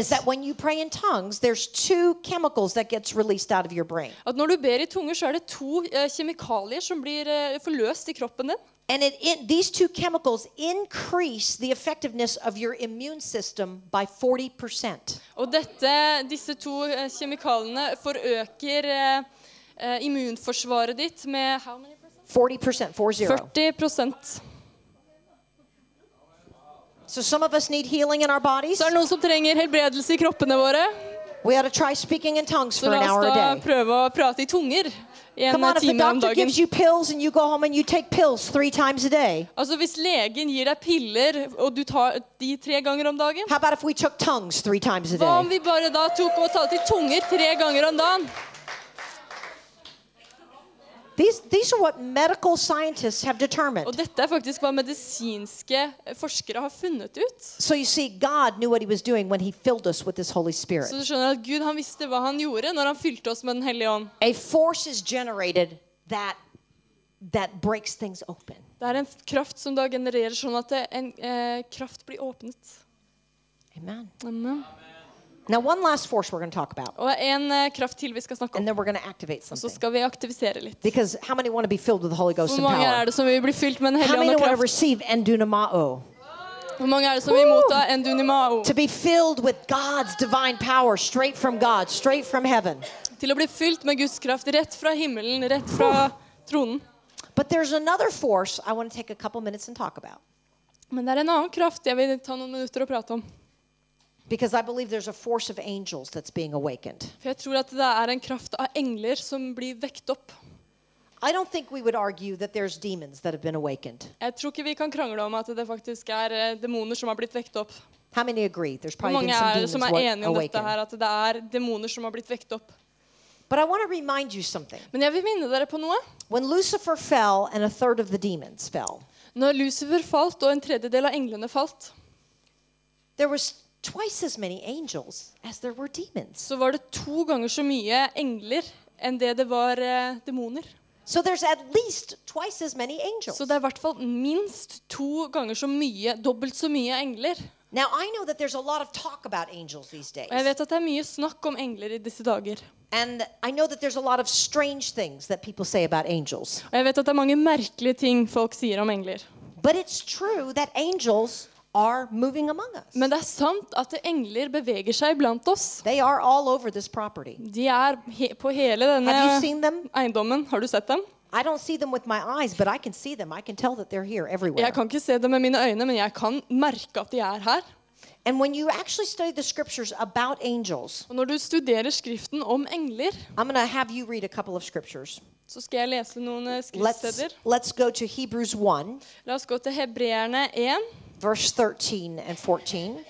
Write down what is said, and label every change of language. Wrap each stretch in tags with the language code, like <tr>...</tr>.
<en>is that when you pray in tongues, there's two chemicals that gets released out of your brain.</en> <no>At når du ber i tunger, så er det to kjemikalier som blir forløst i kroppen din.</no> <en>And these two chemicals increase the effectiveness of your immune system by 40%.</en> <no>Og disse to kjemikaliene forøker immunforsvaret ditt med</no> <en>how many? 40%, 40%. So some of us need healing in our bodies.</en> <no>Så noen som trenger helbredelse i kroppene våre.</no> <en>We ought to try speaking in tongues for an hour a day.</en> <no>Så la oss prøve å prate i tunger en time om dagen.</no> <en>Come on, if the doctor gives you pills and you go home and you take pills three times a day.</en> <no>Altså hvis legen gir deg piller og du tar de tre ganger om dagen.</no> <en>How about if we took tongues three times a day?</en> <no>Hva om vi bare da tok og talte i tunger tre ganger om dagen?</no> <en>These are what medical scientists have determined.</en> <no>Og dette faktisk hva medisinske forskere har funnet ut.</no> <en>So you see, God knew what he was doing when he filled us with his Holy Spirit.</en> <no>Så du skjønner at Gud, han visste hva han gjorde når han fylte oss med den hellige ånd.</no> <en>A force is generated that breaks things open.</en> <no>Det er en kraft som da genererer sånn at en kraft blir åpnet.</no> <en>Amen.</en> <no>Amen.</no> <en>Now one last force we're going to talk about.</en> <no>Og en kraft til vi skal snakke om.</no> <en>And then we're going to activate something.</en> <no>Så skal vi aktivisere litt.</no> <en>Because how many want to be filled with the Holy Ghost and power?</en> <no>Hvor mange er det som vil bli fylt med den hellige ånd og kraft?</no> <en>How many want to receive endunamao?</en> <no>Hvor mange er det som vil motta endunamao?</no> <en>To be filled with God's divine power straight from God, straight from heaven.</en> <no>Til å bli fylt med Guds kraft rett fra himmelen, rett fra tronen.</no> <en>But there's another force I want to take a couple minutes and talk about.</en> <no>Men det er en annen kraft jeg vil ta noen minutter og prate om.</no> <en>Because I believe there's a force of angels that's being awakened.</en> <no>For jeg tror at det en kraft av engler som blir vekt opp.</no> <en>I don't think we would argue that there's demons that have been awakened.</en> <no>Jeg tror ikke vi kan krangle om at det faktisk demoner som har blitt vekt opp.</no> <en>How many agree? There's probably been some demons</en> <no>som enige om dette her, at det demoner som har blitt vekt opp.</no> <en>But I want to remind you something.</en> <no>Men jeg vil minne dere på noe.</no> <en>When Lucifer fell and a third of the demons fell.</en> <no>Når Lucifer falt og en tredjedel av englene falt.</no> <en>There was twice as many angels as there were demons.</en> <no>Så var det to ganger så mye engler enn det var demoner.</no> <en>So there's at least twice as many angels.</en> <no>Så det i hvert fall minst to ganger så mye, dobbelt så mye engler.</no> <en>Now I know that there's a lot of talk about angels these days.</en> <no>Jeg vet at det mye snakk om engler i disse dager.</no> <en>And I know that there's a lot of strange things that people say about angels.</en> <no>Jeg vet at det mange merkelige ting folk sier om engler.</no> <en>But it's true that angels are moving among us.</en> <no>Men det sant at engler beveger seg blant oss.</no> <en>They are all over this property.</en> <no>De på hele denne eiendommen. Har du sett dem?</no> <en>I don't see them with my eyes, but I can see them. I can tell that they're here everywhere.</en> <no>Jeg kan ikke se dem med mine øyne, men jeg kan merke at de her.</no> <en>And when you actually study the scriptures about angels,</en> <no>og når du studerer skriften om engler,</no> <en>I'm going to have you read a couple of scriptures.</en> <no>Så skal jeg lese noen skriftsteder.</no> <en>Let's go to Hebrews 1.</en> <no>La oss gå til Hebreerne 1.</no> <en>Verse 13 and 14.</en>